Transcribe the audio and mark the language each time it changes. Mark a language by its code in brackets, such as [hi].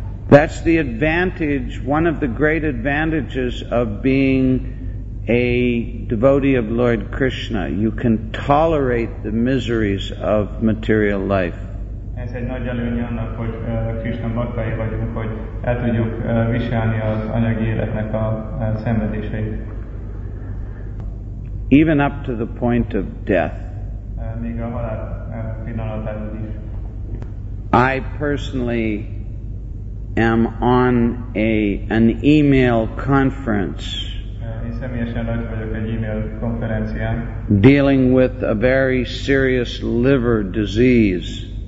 [en] That's the advantage, one of the great advantages of being a devotee of Lord Krishna. You can tolerate the miseries of material life. [hu] Ez egy nagy előny annak, hogy Krishna bhaktai vagyunk, hogy el tudjuk viselni az anyagi életnek a szenvedéseit. [en] Even up to the point of death. [hu] Még a halál pillanatáig is. [en] I personally am on an email conference. [hu] Én személyesen rajta vagyok egy email konferencián. [en] Dealing with a very serious liver disease.